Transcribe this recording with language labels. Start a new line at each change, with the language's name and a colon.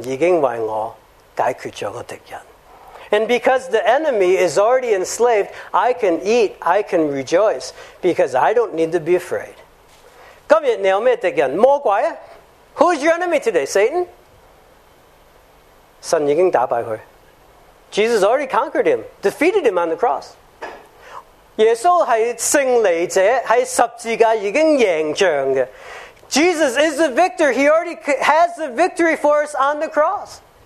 Chinese: 所以我们的敌人已经是捆绑了，我不用怕他，我可以吃到安乐，因为神已经为我解决了敌人。
English: And because the enemy is already enslaved, I can eat, I can rejoice, because I don't need to be afraid.
Chinese: 今天你有什么敌人？魔鬼？
English: Who is your enemy today? Satan?
Chinese: 神已经打败他。
English: Jesus already conquered him, defeated him on the cross.
Chinese: 耶稣是胜利者，在十字架已经赢仗的。
English: Jesus is the victor, he already has the victory for us on the cross.